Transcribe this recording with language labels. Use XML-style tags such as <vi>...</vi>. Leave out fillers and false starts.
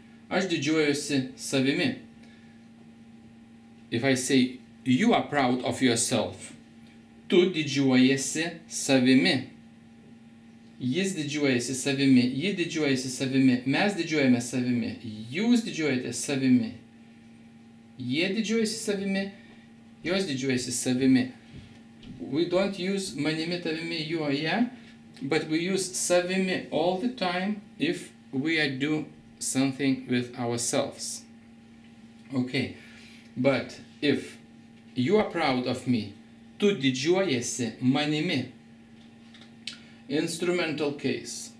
<lt>Aš didžiuojuosi savimi.</lt> <en>If I say you are proud of yourself.</en> <lt>Tu didžiuojasi savimi. Jis didžiuojasi savimi. Ji didžiuojasi savimi. Mes didžiuojame savimi. Jūs didžiuojate savimi. Jie didžiuojasi savimi. Jos didžiuojasi savimi.</lt> <en>We don't use</en> <lt>manimi, tavimi,</lt> <en>you are, yeah. But we use savimi all the time if we are do something with ourselves. Okay. But if you are proud of me.</en> <lt>Tu didžiuojasi manimi.</lt> <en>Instrumental case.</en>